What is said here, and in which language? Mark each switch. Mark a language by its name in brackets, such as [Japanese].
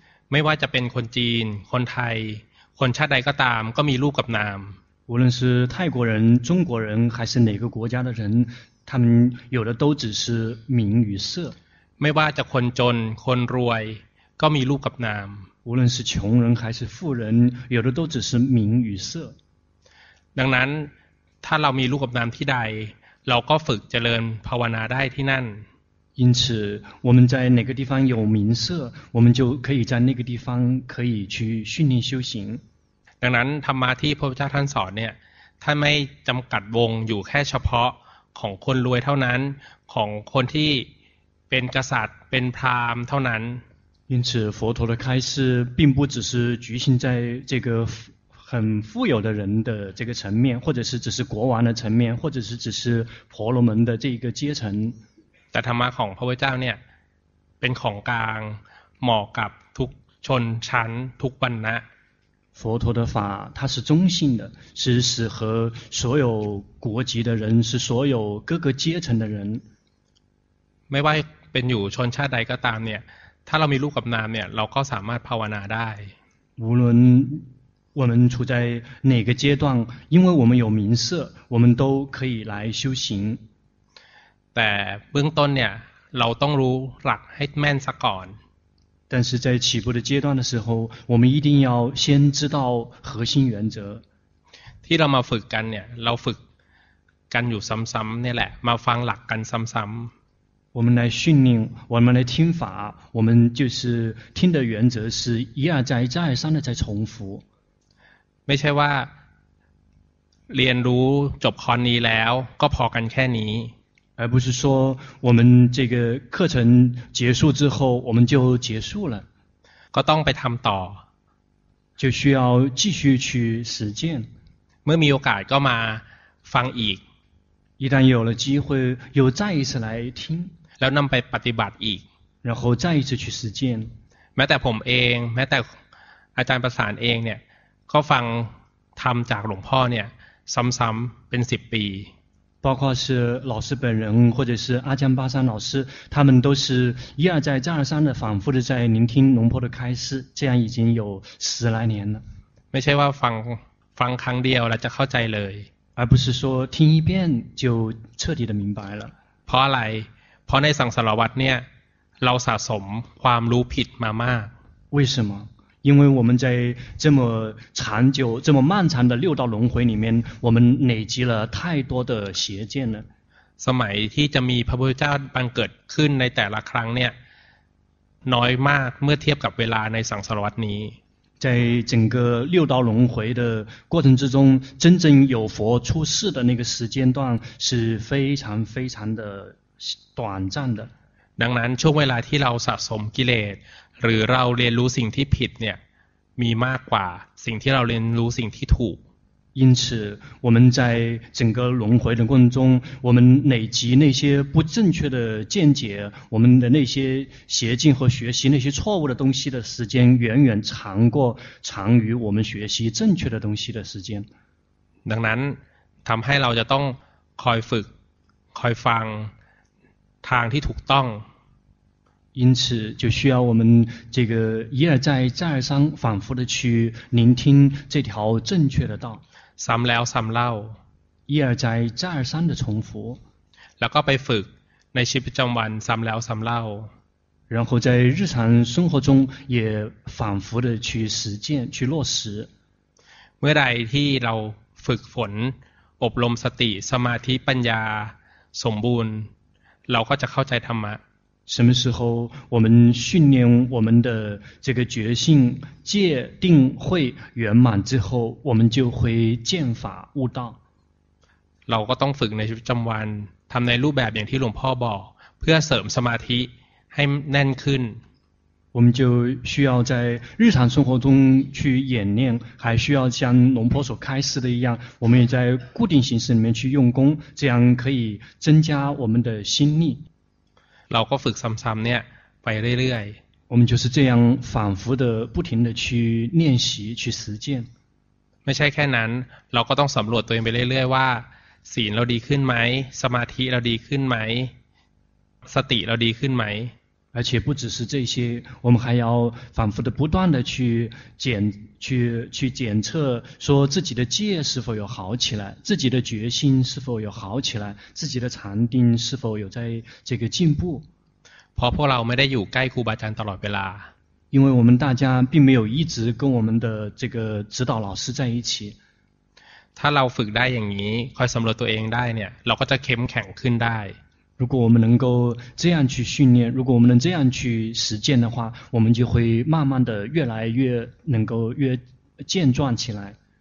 [Thai] ไม่ว่าจะเป็นคนจีนคนไทยคนชาติใดก็ตามก็มีรูปกับนาม [Chinese] 无论是泰国人中国人还是哪个国家的人他们有的都只是名与色 [Thai] ไม่ว่าจะคนจนคนรวยก็มีรูปกับนาม [Chinese] 无论是穷人还是富人有的都只是名与色 [Thai] ดังนั้นถ้าเรามีรูปกับนามที่ใดเราก็ฝึกเจริญภาวนาได้ที่นั่น [Chinese] 因此我们在哪个地方有名色我们就可以在那个地方可以去训练修行 [Thai] ดังนั้นธรรมะที่พระพุทธเจ้าท่านสอนเนี่ยท่านไม่จำกัดวงอยู่แค่เฉพาะของคนรวยเท่านั้นของคนที่เป็นกษัตริย์เป็นพราหมณ์เท่านั้น [Chinese] 因此佛陀的开示并不只是局限在这个很富有的人的这个层面，或者是只是国王的层面，或者是只是婆罗门的这一个阶层。但 [Thai] ธรรมะของพระพุทธเจ้าเนี่ยเป็นของกลางเหมาะกับทุกชนชั้นทุกวรรณะ。 [Chinese] 佛陀的法它是中性的，是适合所有国籍的人，是所有各个阶层的人。 [Thai] ไม่ว่าเป็นอยู่ชนชาติใดก็ตามเนี่ยถ้าเรามีรูปกับนามเนี่ยเราก็สามารถภาวนาได้。 [Chinese] 无论我们处在哪个阶段，因为我们有名色，我们都可以来修行。 [Thai] แต่เบื้องต้นเนี่ยเราต้องรู้หลักให้แม่นซะก่อน。 [Chinese] 但是在起步的阶段的时候，我们一定要先知道核心原则。 [Thai] ที่เรามาฝึกกันเนี่ยเราฝึกกันอยู่ซ้ำๆนี่แหละมาฟังหลักกันซ้ำๆ [Chinese] 我们来训练，我们来听法，我们就是听的原则是一而再再而三的在重复。 [Thai] ไม่ใช่ว่าเรียนรู้จบคอร์สนี้แล้วก็พอกันแค่นี้ [Chinese] 而不是说我们这个课程结束之后我们就结束了 [Thai] ก็ต้องไปทำต่อ [Chinese] 就需要继续去实践 [Thai] เมื่อมีโอกาสก็มาฟังอีก [Chinese] 一旦有了机会又再一次来听 [Thai] แล้วนำไปปฏิบัติอีก [Chinese] 然后再一次去实践 [Thai] แม้แต่ผมเองแม้แต่อาจารย์ประสานเองเนี่ยก็ฟังธรรมจากหลวงพ่อเนี่ยซ้ำๆเป็น10ปี [Chinese] 包括是老师本人或者是阿江巴山老师他们都是一而再再而三的反复的在聆听龙婆的开示这样已经有十来年了 [Thai] ไม่ใช่ว่าฟังครั้งเดียวแล้วจะเข้าใจเลย [Chinese] 而不是说听一遍就彻底的明白了 [Thai] เพราะอะไรเพราะในสังสารวัฏเนี่ยเราสะสมความรู้ผิดมามาก [Chinese] 为什么因为我们在这么长久、这么漫长的六道轮回里面，我们累积了太多的邪见了。 [Thai] สมัยที่จะมีพระพุทธเจ้าบังเกิดขึ้นในแต่ละครั้งเนี่ยน้อยมากเมื่อเทียบกับเวลาในสังสารวัฏนี้。 [Chinese] 在整个六道轮回的过程之中，真正有佛出世的那个时间段是非常非常的短暂的。 [Thai] ดังนั้นช่วงเวลาที่เราสะสมกิเลสหรือเราเรียนรู้สิ่งที่ผิดเนี่ยมีมากกว่าสิ่งที่เราเรียนรู้สิ่งที่ถูก [Chinese] 因此我们在整个轮回的过程中我们累积那些不正确的见解我们的那些邪见和学习那些错误的东西的时间远远长过长于我们学习正确的东西的时间 [Thai] ดังนั้น ทำให้เราจะต้องคอยฝึกคอยฟังทางที่ถูกต้อง [Chinese] 因此就需要我们这个一而再再而三反复的去聆听这条正确的道 [Thai] ซ้ำแล้วซ้ำเล่า [Chinese] 一而再再而三的重复 [Thai] แล้วก็ไปฝึกในชีวิตประจำวันซ้ำแล้วซ้ำเล่า [Chinese] 然后在日常生活中也反复的去实践去落实 [Thai] เมื่อใดที่เราฝึกฝนอบรมสติสมาธิปัญญาสมบูรณ์เราก็จะเข้าใจธรรมะ [Chinese] 什么时候我们训练我们的这个觉性戒定慧圆满之后我们就会见法悟道 [Thai] เราก็ต้องฝึกในชีวิตประจำวันทำในรูปแบบอย่างที่หลวงพ่อบอกเพื่อเสริมสมาธิให้แน่นขึ้น [Chinese] 我们就需要在日常生活中去演练，还需要像龙婆所开示的一样，我们也在固定形式里面去用功，这样可以增加我们的心力。 [Thai] เราก็ฝึกซ้ำๆเนี่ยไปเรื่อย [Chinese] ๆ我们就是这样反复的、不停的去练习、去实践。 [Thai] ไม่ใช่แค่นั้นเราก็ต้องสำรวจตัวเองไปเรื่อยๆว่าศีลเราดีขึ้นไหมสมาธิเราดีขึ้นไหมสติเราดีขึ้นไหม [Chinese] 而且不只是这些，我们还要反复的、不断的去检测，说自己的戒是否有好起来，自己的决心是否有好起来，自己的禅定是否有在这个进步。 [Thai] พอพวกเราไม่ได้อยู่ใกล้ครูบาอาจารย์ตลอดเวลา， [Chinese] 因为我们大家并没有一直跟我们的这个指导老师在一起。 [Thai] ถ้าเราฝึกได้อย่างนี้คอยสำรวจตัวเองได้เนี่ยเราก็จะเข้มแข็งขึ้นได้ [Chinese] 如果我们能够这样去训练，如果我们能这样去实践的话，我们就会慢慢的越来越能够越健壮起来。